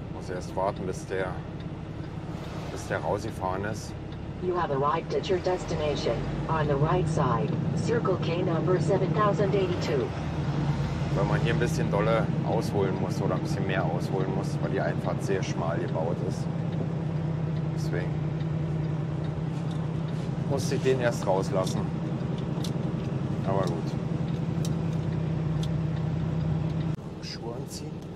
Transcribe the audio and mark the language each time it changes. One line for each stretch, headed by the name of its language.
German: Erst warten, bis der rausgefahren ist.
English: You have arrived at your destination. On the right side, Circle K number 7082.
German: Weil man hier ein bisschen dolle ausholen muss oder ein bisschen mehr ausholen muss, weil die Einfahrt sehr schmal gebaut ist. Deswegen musste ich den erst rauslassen. Aber gut. Schuhe anziehen?